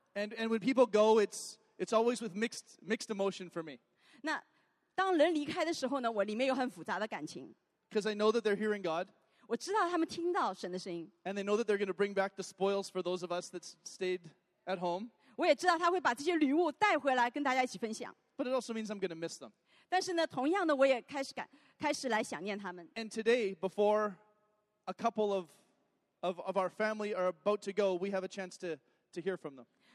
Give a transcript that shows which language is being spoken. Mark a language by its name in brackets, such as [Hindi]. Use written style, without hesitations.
[English] And when people go, it's always with mixed emotion for me. [Chinese] 那当人离开的时候呢，我里面有很复杂的感情。 [English] Because I know that they're hearing God. [Chinese] 我知道他们听到神的声音。And [English] they know that they're going to bring back the spoils for those of us that stayed at home. [Chinese] 我也知道他会把这些礼物带回来跟大家一起分享。But [English] it also means I'm going to miss them. [Chinese] 但是呢，同样的，我也开始来想念他们。And [English] today, before a couple of our family are about to go, we have a chance to hear from them.